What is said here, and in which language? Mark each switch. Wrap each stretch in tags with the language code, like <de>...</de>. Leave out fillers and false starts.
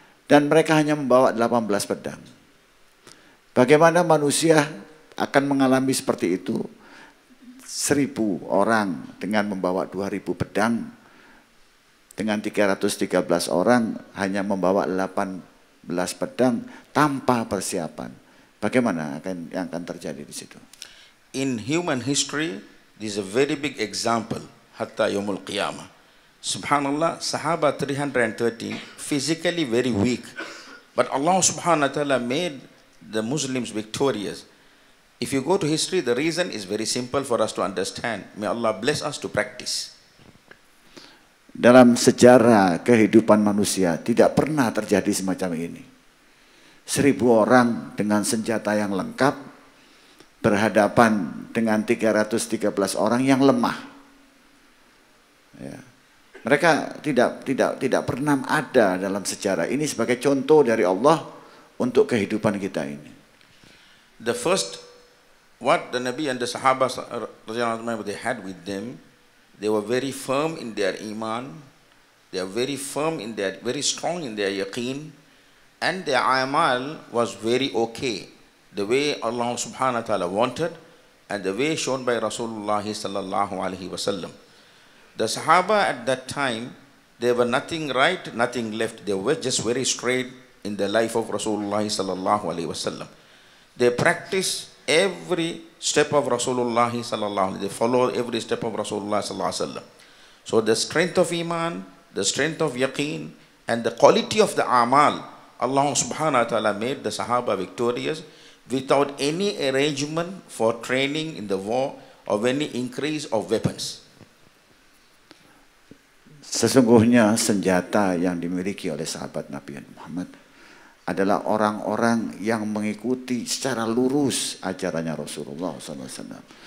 <id>Dan mereka hanya membawa 18 pedang. Bagaimana manusia akan mengalami seperti itu? 1,000 orang dengan membawa 2,000 pedang, dengan 313 orang hanya membawa 18 pedang tanpa persiapan. Bagaimana yang akan terjadi di situ?</id> <en>In human history, this is a very big example.</en> <ar>Hatta yawmul qiyamah. Subhanallah, sahabat 313,</ar> <en>physically very weak. But Allah subhanahu wa ta'ala made the Muslims victorious. If you go to history, the reason is very simple for us to understand. May Allah bless us to practice.</en> <id>Dalam sejarah kehidupan manusia, tidak pernah terjadi semacam ini. 1,000 orang dengan senjata yang lengkap, berhadapan dengan 313 orang yang lemah. Ya. Mereka tidak pernah ada dalam sejarah. Ini sebagai contoh dari Allah untuk kehidupan kita ini.</id> <en>The first what the Nabi and the Sahabas radhiyallahu anhu they had with them, they were very firm in their iman, they are very firm in their very strong in their yaqeen, and their amal was very okay, the way Allah subhanahu wa ta'ala wanted, and the way shown by Rasulullah sallallahu alaihi wasallam. The Sahaba at that time, there were nothing right, nothing left. They were just very straight in the life of Rasulullah sallallahu alaihi wasallam. They practice every step of Rasulullah sallallahu alaihi. They follow every step of Rasulullah sallallahu alaihi wasallam. So the strength of iman, the strength of yaqeen, and the quality of the amal, Allah subhanahu wa ta'ala made the Sahaba victorious without any arrangement for training in the war or any increase of weapons.</en> <id>Sesungguhnya senjata yang dimiliki oleh sahabat Nabi Muhammad adalah orang-orang yang mengikuti secara lurus ajarannya Rasulullah SAW.</id>